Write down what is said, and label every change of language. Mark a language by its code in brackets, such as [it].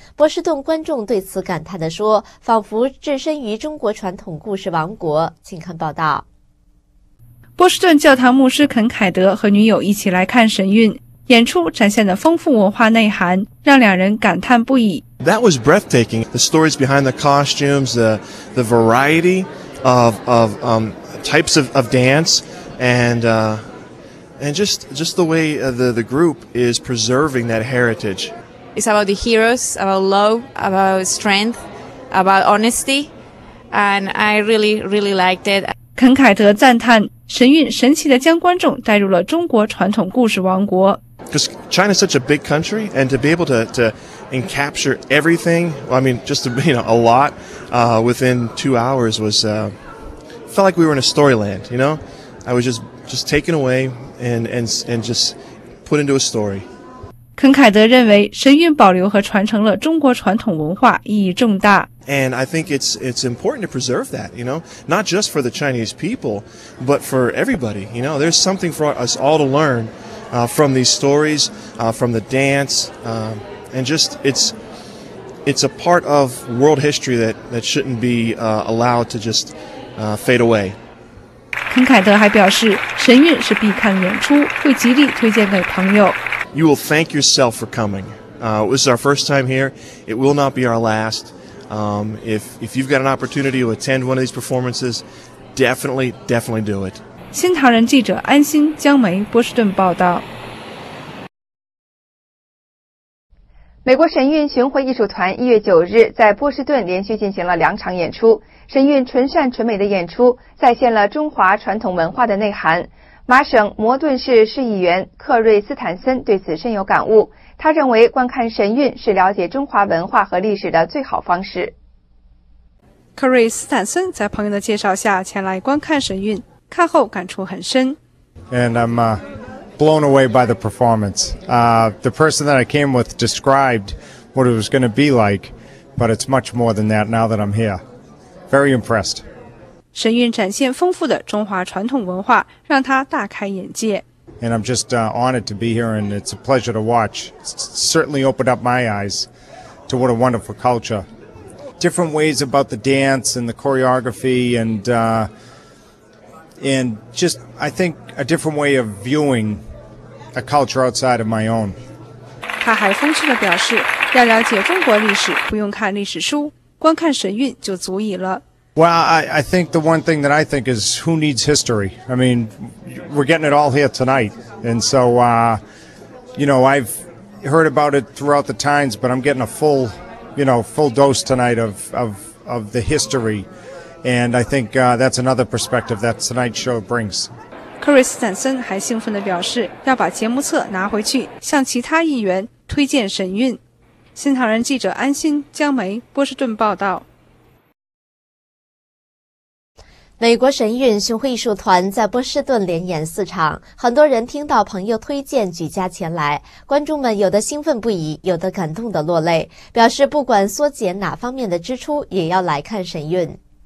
[zh] 波士顿观众对此感叹地说，仿佛置身于中国传统故事王国。请看报道。波士顿教堂牧师肯凯德和女友一起来看神韵。演出展现的丰富文化内涵让两人感叹不已。 [en] That was breathtaking. The stories behind the costumes, the variety of types of dance, and just the way the group is preserving that heritage. It's about the heroes, about love, about strength, about honesty, and I really, really liked it. [zh] 肯凯德赞叹神韵神奇地将观众带入了中国传统故事王国。 [en] Because China is such a big country, and to be able to encapture everything, I mean, just to, you know, a lot within 2 hours was, felt like we were in a storyland, you know? I was just taken away and just put into a story. [zh] 肯凯德认为神韵保留和传承了中国传统文化意义重大。 [en] And I think it's important to preserve that, you know, not just for the Chinese people, but for everybody, you know, there's something for us all to learn. From these stories, from the dance, and just it's a part of world history that shouldn't be allowed to just fade away. [zh] 肯凯德还表示，神韵是必看演出，会极力推荐给朋友。 [en] You will thank yourself for coming. This is our first time here. It will not be our last. If you've got an opportunity to attend one of these performances, definitely, definitely do it. [zh] 新唐人记者安心江梅波士顿报道。美国神韵巡回艺术团1月9日在波士顿连续进行了两场演出。神韵纯善纯美的演出再现了中华传统文化的内涵。麻省摩顿市市议员克瑞斯坦森对此深有感悟，他认为观看神韵是了解中华文化和历史的最好方式。克瑞斯坦森在朋友的介绍下前来观看神韵，看后感触很深。 [en] And I'm blown away by the performance. The person that I came with described what it was going to be like, but it's much more than that now that I'm here. Very impressed. [zh] 神韵展现丰富的中华传统文化，让他大开眼界。 [en] And I'm just honored to be here, and it's a pleasure to watch. Certainly opened up my eyes to what a wonderful culture. Different ways about the dance and the choreography and just, I think, a different way of viewing a culture outside of my own. [zh] 他还风趣地表示，要了解中国历史，不用看历史书，光看神韵就足以了。 [en] Well, I think the one thing that I think is, who needs history? I mean, we're getting it all here tonight. And so, you know, I've heard about it throughout the times, but I'm getting a full, you know, full dose tonight of the history. And I think that's another perspective that tonight's show brings. [zh] 克瑞斯坦森还兴奋地表示，要把节目册拿回去，向其他议员推荐神韵。新唐人记者安心、江梅，波士顿报道。美国神韵巡回艺术团在波士顿连演四场，很多人听到朋友推荐举家前来，观众们有的兴奋不已，有的感动得落泪，表示不管缩减哪方面的支出，也要来看神韵。